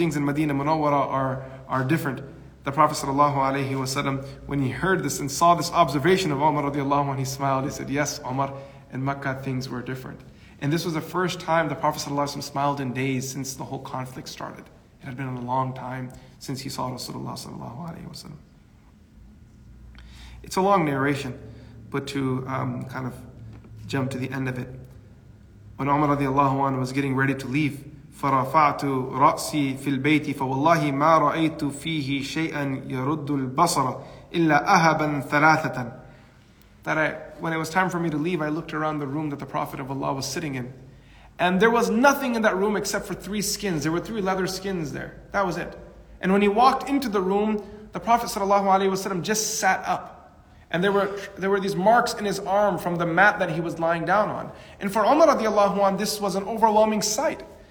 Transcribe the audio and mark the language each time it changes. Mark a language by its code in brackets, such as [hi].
[en] Things in Medina Munawwara are different." The Prophet sallallahu alayhi wa sallam, when he heard this and saw this observation of Umar radiallahu anhu, he smiled. He said, "Yes, Umar, in Makkah things were different." And this was the first time the Prophet sallallahu alayhi wa sallam smiled in days since the whole conflict started. It had been a long time since he saw Rasulullah sallallahu alayhi wa sallam. It's a long narration, but to kind of jump to the end of it. When Umar radiallahu anhu was getting ready to leave, [ar] فَرَفَعْتُ رَأْسِي فِي الْبَيْتِ فَوَاللَّهِ مَا رَأَيْتُ فِيهِ شَيْئًا يَرُدُّ الْبَصَرَ إِلَّا أَهَبًا ثَلَاثَةً. [en] That when it was time for me to leave, I looked around the room that the Prophet of Allah was sitting in. And there was nothing in that room except for three skins. There were three leather skins there. That was it. And when he walked into the room, the Prophet ﷺ just sat up. And there were these marks in his arm from the mat that he was lying down on. And for Umar radiallahu anhu, this was an overwhelming sight.